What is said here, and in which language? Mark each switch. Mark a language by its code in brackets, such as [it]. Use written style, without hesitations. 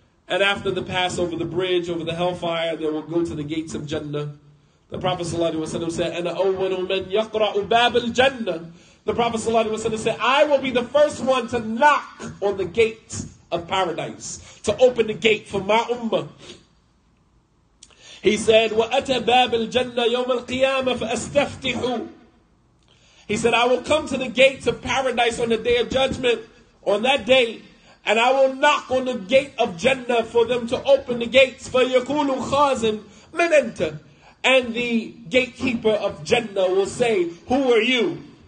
[en] And after the pass over the bridge, over the hellfire, they will go to the gates of Jannah. The Prophet ﷺ said, [ar] "Ana awwalu man yaqra'u bab al-jannah." [en] The Prophet ﷺ said, "I will be the first one to knock on the gate of paradise, to open the gate for my ummah." He said, [ar] "وَأَتَى بَابِ الْجَنَّةِ يَوْمَ الْقِيَامَةِ فَأَسْتَفْتِحُ." [en] He said, "I will come to the gates of paradise on the day of judgment, on that day, and I will knock on the gate of Jannah for them to open the gates. [ar] فَيَكُولُ خَازِنْ مَنْ أَنْتَ." [en] And the gatekeeper of Jannah will say, "Who are you?"